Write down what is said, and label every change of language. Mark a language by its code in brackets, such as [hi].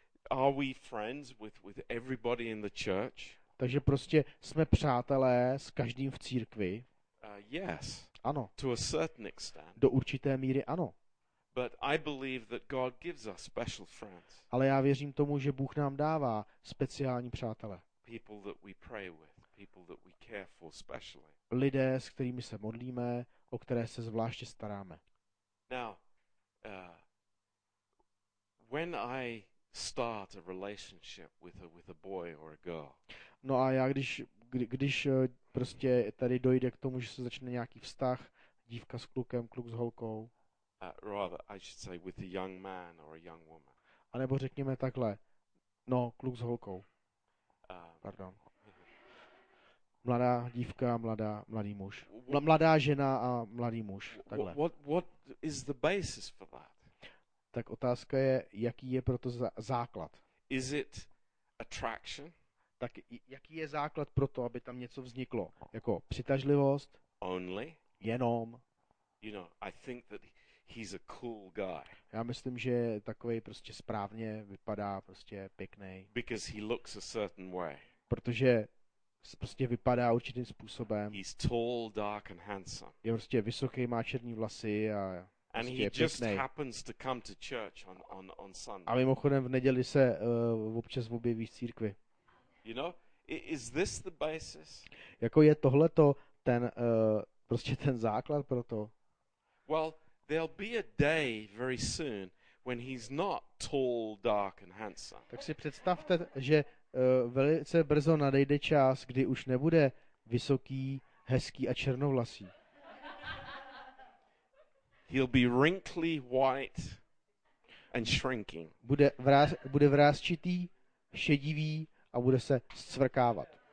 [en] Are we friends with everybody in the church? [cs] Takže prostě jsme přátelé s každým v církvi. [en] Yes. [cs] Ano. [en] To a certain extent. [cs] Do určité míry ano. [en] But I believe that God gives us special friends. [cs] Ale já věřím tomu, že Bůh nám dává speciální přátelé. [en] People that we pray with, people that we care for specially. [cs] Lidé, s kterými se modlíme, o které se zvláště staráme. [en] Now, when I start a relationship with a boy or a girl. [cs] No a já když prostě tady dojde k tomu, že se začne nějaký vztah, dívka s klukem, kluk s holkou. [en] Rather, I should say with a young man or a young woman. [cs] A nebo řekněme takhle, no, kluk s holkou. Pardon. Mladá dívka, mladý muž. Mladá žena a mladý muž, takhle. [en] What is the basis for that? [cs] Tak otázka je, jaký je proto základ. [en] Is it attraction? [cs] Tak jaký je základ pro to, aby tam něco vzniklo? Jako přitažlivost? [en] Only? [cs] Jenom? [en] You know, I think that he's a cool guy. [cs] Já myslím, že takovej prostě správně vypadá, prostě pěknej. [en] Because he looks a certain way. [cs] Protože prostě vypadá určitým způsobem. [en] He's tall, dark and handsome. [cs] Je prostě vysoký, má černý vlasy a [en] and he just happens to come to church on Sunday. [cs] A mimochodem v neděli se občas objeví v církvi. [en] You know, is this the basis? [cs] Jako je tohle to ten prostě ten základ pro to? [en] Well, there'll be a day very soon when he's not tall, dark and handsome. [cs] Tak si představte, že velice brzo nadejde čas, kdy už nebude vysoký, hezký a černovlasý. [en] He'll be wrinkly, white and shrinking. [cs] Bude vrásčitý, šedivý a bude se zcvrkávat.